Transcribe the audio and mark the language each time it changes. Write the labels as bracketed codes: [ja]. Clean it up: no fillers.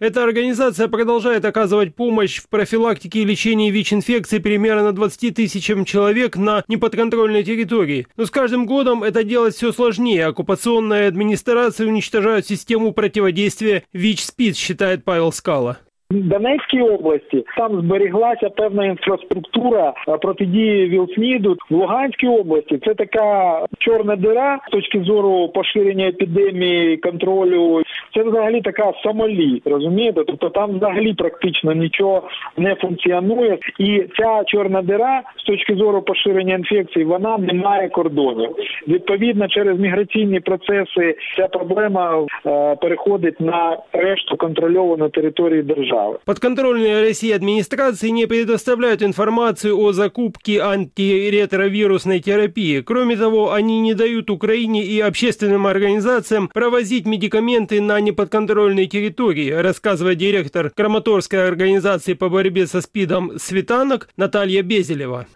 [ru] Эта организация продолжает оказывать помощь в профилактике и лечении ВИЧ-инфекции примерно 20 тысячам человек на неподконтрольной территории. Но с каждым годом это делать все сложнее. Оккупационные администрации уничтожают систему противодействия ВИЧ-СПИД, считает Павел Скала. [uk] В Донецькій області там зберіглася певна інфраструктура протидії ВІЛ-СНІДу. В Луганській області це така чорна діра з точки зору поширення епідемії, контролю. Це взагалі така Сомалі, розумієте? Тобто там взагалі практично нічого не функціонує. І ця чорна діра з точки зору поширення інфекції, вона не має кордонів. Відповідно, через міграційні процеси ця проблема переходить на решту контрольованої території держави. [ru] Подконтрольные России администрации не предоставляют информацию о закупке антиретровирусной терапии. Кроме того, они не дают Украине и общественным организациям провозить медикаменты на неподконтрольные территории, рассказывает директор Краматорской организации по борьбе со СПИДом «Светанок» Наталья Безелева.